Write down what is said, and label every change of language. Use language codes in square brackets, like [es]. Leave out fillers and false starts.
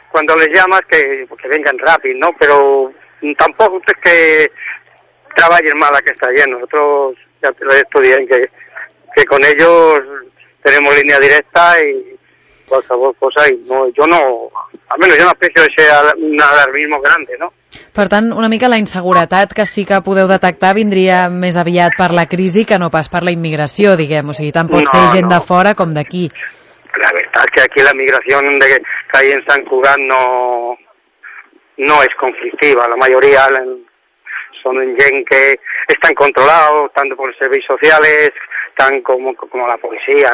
[es] Cuando les llamas, que vengan rápido, ¿no? Pero tampoco es que trabajen mal aquí está lleno. Nosotros ya te lo he estudiado, que con ellos tenemos línea directa y cualquier cosa. Y no, yo no, al menos yo no aprecio ese alarmismo grande, ¿no? [ca] Per tant, una mica la inseguretat que sí que podeu detectar vindria més aviat per la crisi que no pas per la immigració, diguem. O sigui, tant pot ser gent de fora com d'aquí. [es] La verdad que aquí la migración que hay en San Cugat no es conflictiva. La mayoría son gente que están controlados tanto por los servicios sociales tan como la policía.